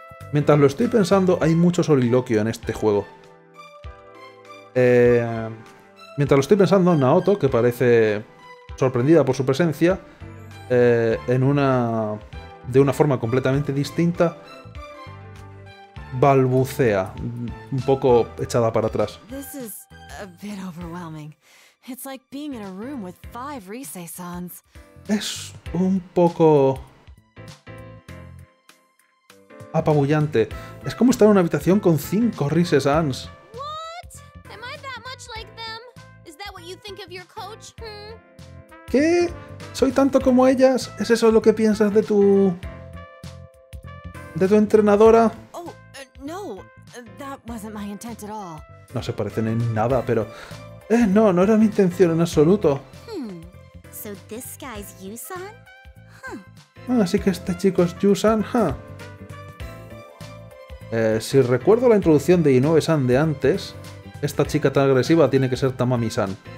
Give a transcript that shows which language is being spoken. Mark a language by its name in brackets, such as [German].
[Spanish] Mientras lo estoy pensando, hay mucho soliloquio en este juego. Mientras lo estoy pensando, Naoto, que parece sorprendida por su presencia, de una forma completamente distinta, balbucea, un poco echada para atrás. [English] This is a bit overwhelming. It's like being in a room with five Risei-sans. [Spanish] Es un poco apabullante. Es como estar en una habitación con cinco Risei-sans. [English] What? Am I that much like them? Is that what you think of your coach? [Spanish] ¿Qué? ¿Soy tanto como ellas? ¿Es eso lo que piensas de tu entrenadora? [English] Oh, no, that wasn't my intent at all. [Spanish] No se parecen en nada, pero no era mi intención en absoluto. [English] So this guy's Yu-san? [Spanish] Así que este chico es Yu-san, si recuerdo la introducción de Inoue-san de antes, esta chica tan agresiva tiene que ser Tamami-san.